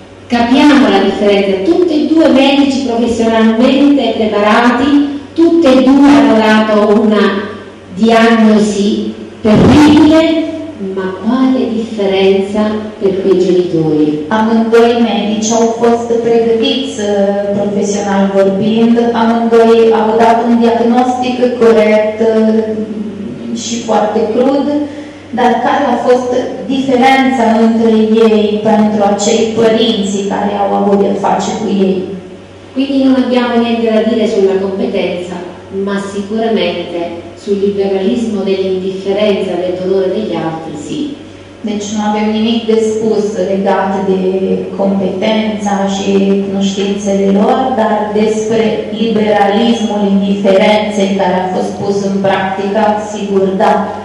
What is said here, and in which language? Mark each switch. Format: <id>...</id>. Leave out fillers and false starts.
<it>Capiamo la diferență, tutti e due medici profesionalmente preparati, tutti e due hanno dato una diagnosi terribile, ma quale differenza per quei genitori.</it> <ro>Amândoi medici au fost pregătiți profesional vorbind, amândoi au dat un diagnostic corect și foarte crud, dar care a fost diferența între ei pentru acei părinți care au avut de face cu ei.</ro> <it>Quindi non abbiamo niente da dire sulla competenza, ma sicuramente sul liberalismo dell'indifferenza del dolore degli altri, sì.</it> <ro>Deci</ro> <it>non abbiamo</it> <ro>nimic de spus legat de competența și cunoștințele lor, dar despre liberalismul indiferenței care a fost pus în practică, sigur, da.</ro>